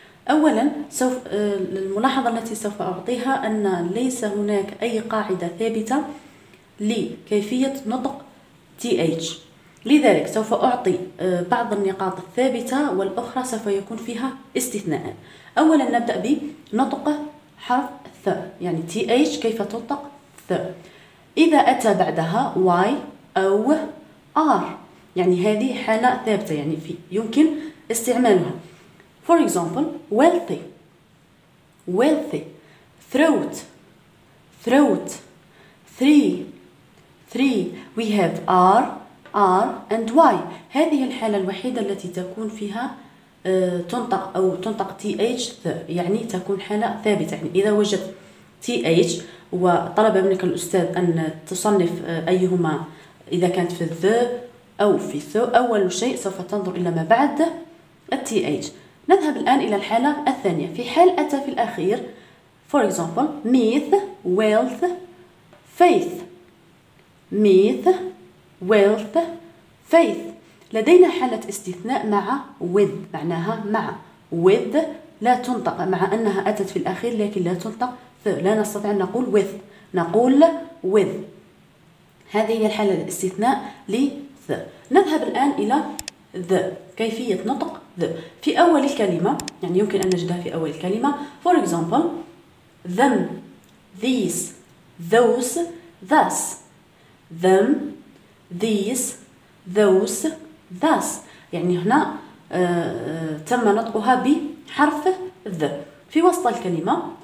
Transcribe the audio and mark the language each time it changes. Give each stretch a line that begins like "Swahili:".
Arabic: أولا سوف الملاحظة التي سوف أعطيها أن ليس هناك أي قاعدة ثابتة لكيفية نطق TH، لذلك سوف أعطي بعض النقاط الثابتة والأخرى سوف يكون فيها استثناء. أولا نبدأ بنطق حرف ث، يعني TH كيف تنطق ث. إذا أتى بعدها Y أو R، يعني هذه حالة ثابتة، يعني في يمكن استعمالها.
English: For example wealthy wealthy، throat throat، three. We have R and Y.
Arabic: هذه الحالة الوحيدة التي تكون فيها تنطق أو تنطق TH ث، يعني تكون حالة ثابتة. يعني إذا وجد TH وطلب منك الأستاذ أن تصنف أيهما، إذا كانت في ذ أو في ث، أول شيء سوف تنظر إلى ما بعد TH. نذهب الآن إلى الحالة الثانية. في حال أتى في الأخير،
English: for example myth wealth faith،
Arabic: myth wealth faith، لدينا حالة استثناء مع with، معناها مع with لا تنطق، مع أنها أتت في الأخير لكن لا تنطق ث، لا نستطيع أن نقول with، نقول with. هذه هي الحالة الاستثناء لث. نذهب الآن إلى the، كيفية نطق the في أول الكلمة، يعني يمكن أن نجدها في أول الكلمة.
English: For example them these those thus، them these those thus،
Arabic: يعني هنا تم نطقها بحرف ذ في وسط الكلمة.